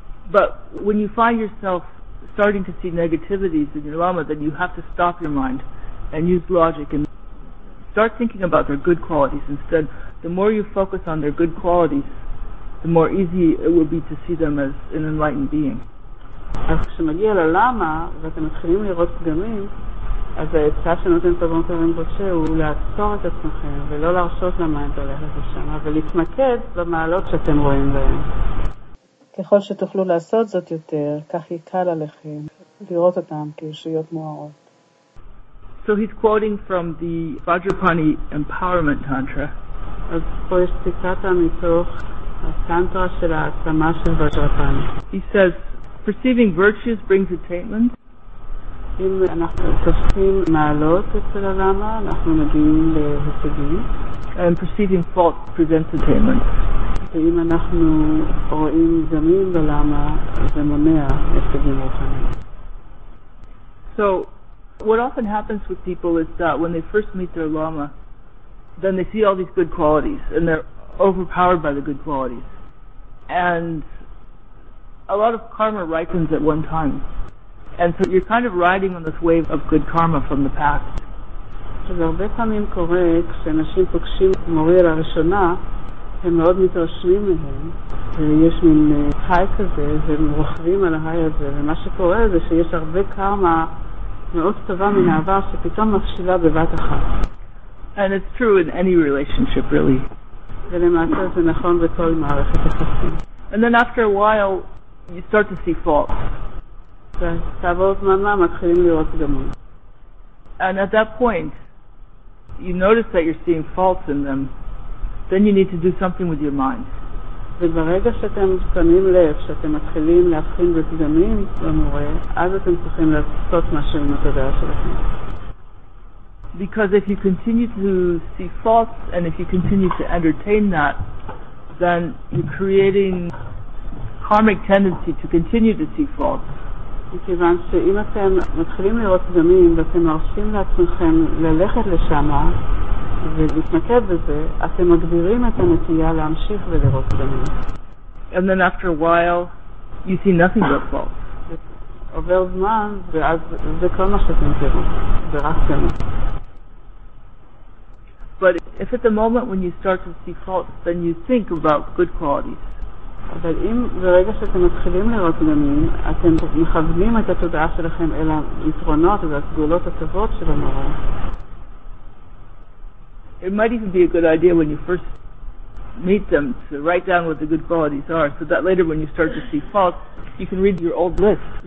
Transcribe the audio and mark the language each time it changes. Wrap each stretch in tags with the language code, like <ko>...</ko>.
<en>But when you find yourself starting to see negativities in your lama, then you have to stop your mind and use logic and start thinking about their good qualities instead. The more you focus on their good qualities, the more easy it will be to see them as an enlightened being.</en> <he>אז כשמגיע ללמה ואתם מתחילים לראות פגמים, אז ההצעה שנותן פגום קרן בושה הוא לעצור את עצמכם ולא להרשות למיינד הולכת לשם, ולהתמקד במעלות שאתם רואים בהם. ככל שתוכלו לעשות זאת יותר, כך יקל עליכם לראות אותם כישויות מוארות.</he> <en>So he's quoting from the Vajrapani Empowerment Tantra.</en> <he>אז פה יש ציטטה מתוך הטנטרה של העצמה של וג'רפני.</he> <en>He says, perceiving virtues brings attainment.</en> <he>אם אנחנו תופסים מעלות אצל הלמה, אנחנו מגיעים להישגים.</he> <en>And perceiving faults presents attainment.</en> <he>ואם אנחנו רואים פגמים בלמה, זה מונע הישגים רוחניים.</he> <en>So, what often happens with people is that when they first meet their lama, then they see all these good qualities, and they're overpowered by the good qualities. And a lot of karma ripens at one time. And so you're kind of riding on this wave of good karma from the past.</en> <he>אז הרבה פעמים קורה כשאנשים פוגשים את מורי על הראשונה, הם מאוד מתרשמים מהם, ויש מין היי כזה, והם רוכבים על ההיי הזה, ומה שקורה זה שיש הרבה קרמה מאוד טובה מן העבר שפתאום מפשילה בבת אחת.</he> <en>And it's true in any relationship, really.</en> <he>ולמעשה זה נכון בכל מערכת יחסים.</he> <en>And then after a while, you start to see faults.</en> <he>וכעבור זמן מתחילים לראות פגמים.</he> <en>And at that point, you notice that you're seeing faults in them, then you need to do something with your mind.</en> <he>וברגע שאתם שמים לב, שאתם מתחילים להבחין בפגמים במורה, אז אתם צריכים לעשות משהו עם התודעה שלכם.</he> <en>Because if you continue to see faults and if you continue to entertain that, then you're creating karmic tendency to continue to see faults.</en> <he>מכיוון שאם אתם מתחילים לראות פגמים ואתם מרשים לעצמכם ללכת לשם ולהתמקד בזה, אתם מגבירים את הנטייה להמשיך ולראות פגמים.</he> <en>And then after a while, you see nothing but faults.</en> <he>עובר זמן, ואז זה כל מה שאתם תראו, זה רק פגמים.</he> <en>But if at the moment when you start to see faults, then you think about good qualities.</en> <he>אבל אם ברגע שאתם מתחילים לראות פגמים, אתם מכוונים את התודעה שלכם אל היתרונות והסגולות הטובות של המורה.</he> <en>It might even be a good idea when you first meet them to write down what the good qualities are, so that later when you start to see faults, you can read your old list.</en>